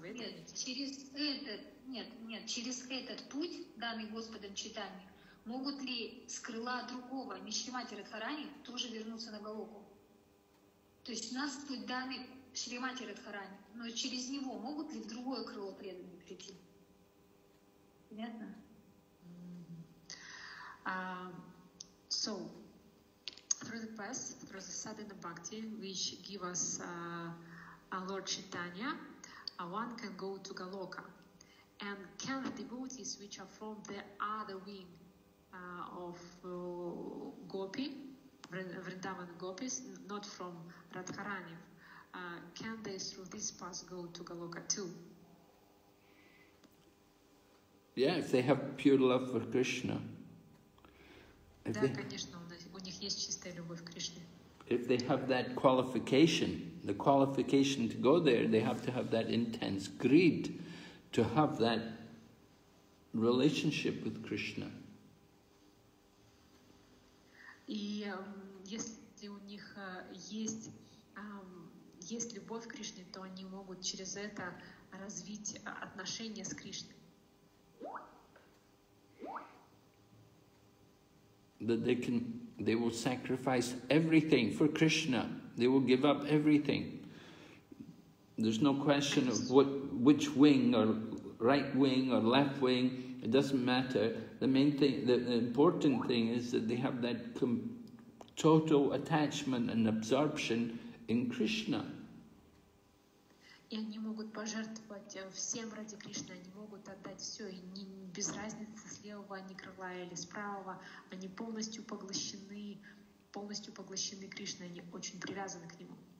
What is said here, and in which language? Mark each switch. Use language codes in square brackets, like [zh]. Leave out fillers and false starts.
[ru] Нет, через этот, нет, через этот путь, данный Господом Чайтанья, могут ли с крыла другого, не Шримати Радхарани, тоже вернуться на Голоку? То есть у нас путь данный Шримати Радхарани, но через него могут ли в другое крыло преданные прийти? Понятно? [en] So, through the path, through the sadhana bhakti, which give us Lord Chaitanya, one can go to Galoka. And can the devotees, which are from the other wing of Gopi, Vrindavan Gopis, not from Radharani, can they through this path go to Galoka too? Yeah, if they have pure love for Krishna. [ru] Да, конечно, у них есть чистая любовь к Кришне. [en] If they have that qualification, the qualification to go there, they have to have that intense greed to have that relationship with Krishna. [ru] И если у них есть любовь к Кришне, то они могут через это развить отношения с Кришной. [en] That they can, they will sacrifice everything for Krishna. They will give up everything. There's no question of which wing or right wing or left wing. It doesn't matter. The main thing, the important thing is that they have that total attachment and absorption in Krishna. [ru] И они могут пожертвовать всем ради Кришны, они могут отдать все, и не, без разницы, с левого они крыла или с правого, они полностью поглощены Кришной, они очень привязаны к Нему.